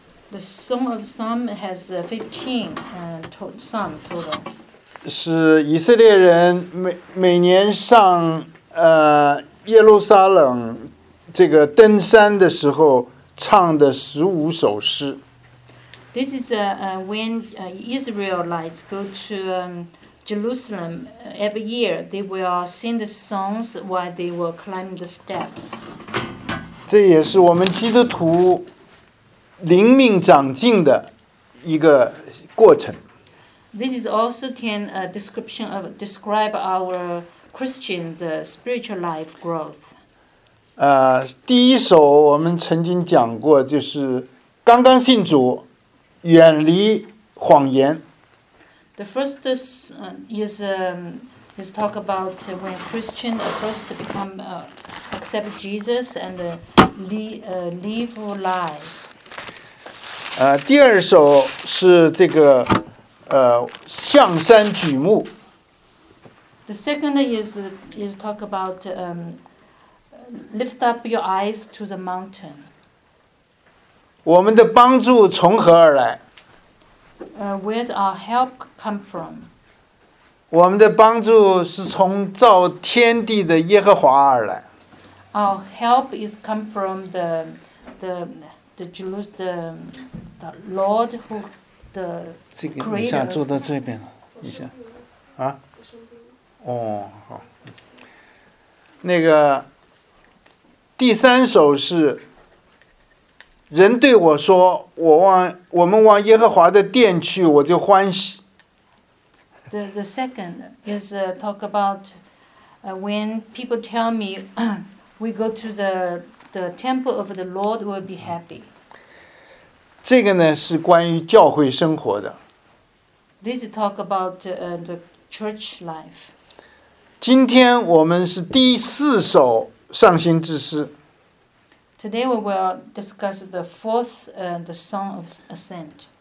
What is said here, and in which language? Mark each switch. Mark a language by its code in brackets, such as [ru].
[en] The Song of Psalm has 15 psalms total. [zh] 是以色列人每年上耶路撒冷这个登山的时候唱的十五首诗。 [en] This is when Israelites go to Jerusalem every year. They will sing the songs while they will climb the steps. [zh] 这也是我们基督徒灵命长进的一个过程。 [en] This is also can a description of describe our Christian the spiritual life growth. [zh] 第一首我们曾经讲过，就是刚刚信主，远离谎言。 [en] The first is talk about when Christian first become accept Jesus and leave lie. [zh] 第二首是这个向山举目。 [en] The second is talk about lift up your eyes to the mountain. [zh] 我们的帮助从何而来？ [en] Where's our help come from? [zh] 我们的帮助是从造天地的耶和华而来。 [en] Our help is come from the Lord who the creator. [zh] 这个你想坐到这边了，你想，啊？哦，好。那个第三首是人对我说：“我们往耶和华的殿去，我就欢喜。” [en] The second is talk about when people tell me we go to the temple of the Lord, we'll be happy. [zh] 这个呢是关于教会生活的。 [en] This is talk about the church life. [zh] 今天我们是第四首上星之诗。 [en] Today we will discuss the fourth the song of ascent.